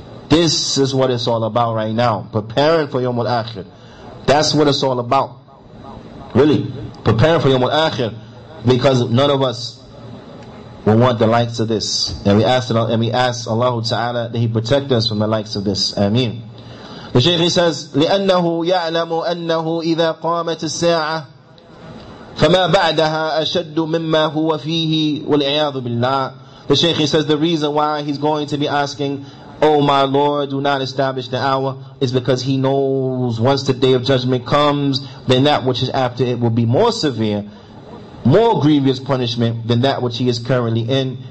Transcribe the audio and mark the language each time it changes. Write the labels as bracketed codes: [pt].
[en] This is what it's all about right now. Preparing for Yawmul Akhir. That's what it's all about. Really. Preparing for Yawmul Akhir. Because none of us we want the likes of this. And we ask Allah Ta'ala that He protect us from the likes of this. Ameen. The Shaykh says, [ar] لأنه يعلم أنه إذا قامت الساعة فما بعدها أشد مما هو فيه والعياذ بالله. [en] The Shaykh says, the reason why he's going to be asking, Oh my Lord, do not establish the hour, is because he knows once the day of judgment comes, then that which is after it will be more severe, more grievous punishment than that which he is currently in.